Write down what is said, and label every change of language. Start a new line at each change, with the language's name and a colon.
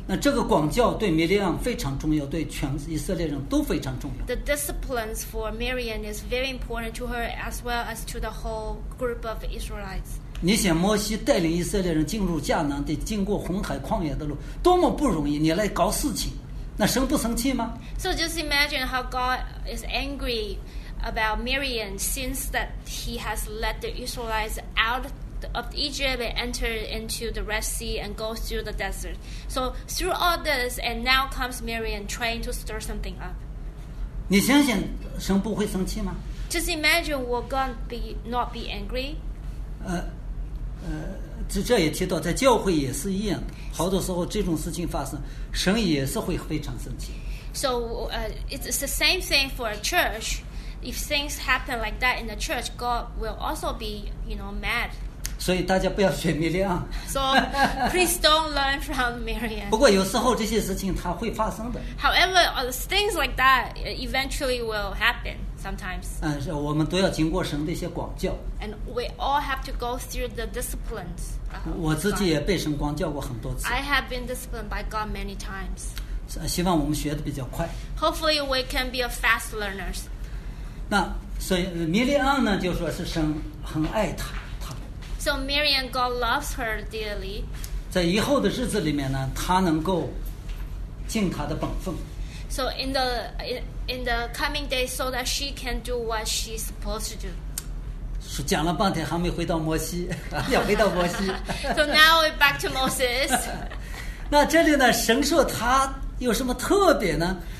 Chinese: 那这个管教对米利安非常重要，对全以色列人都非常重要。
English: The disciplines for Marian is very important to her as well as to the whole group of Israelites.
Chinese: 你想摩西带领以色列人进入迦南地，经过红海旷野的路，多么不容易！你来搞事情，那神不生气吗
English: ？So just imagine how God is angry about Marian since that he has led the Israelites out. Of Egypt and enter into the Red Sea and go through the desert. So through all this, and now comes Marian trying to stir something up.
Chinese: 你相信神不会生气吗
English: ？Just imagine, will God be not be angry?
Chinese: 这也提到在教会也是一样，好多时候这种事情发生，神也是会非常生气。
English: So it's the same thing for a church. If things happen like that in the church, God will also be, you know, mad.
Chinese: 所以大家不要学米利安。
English: So please don't learn from Marian.
Chinese: 不过有时候这些事情它会发生的。
English: However, things like that eventually will happen sometimes.
Chinese: 我们都要经过神的一些管教。
English: And we all have to go through the disciplines.
Chinese: 我自己也被神管教过很多次。
English: I have been disciplined by God many times.
Chinese: 希望我们学的比较快。
English: Hopefully we can be a fast learners.
Chinese: 那所以米利安呢，就说是神很爱他。
English: So Mary and God loves her dearly.
Chinese: 在以后的日子里面呢，她能够尽她的本分。
English: So in the coming days, so that she can do what she's supposed to do.
Chinese: 说讲了半天还没回到摩西，要回到摩西。
English: So now we're back to Moses.
Chinese: 那这里呢，神说他有什么特别呢？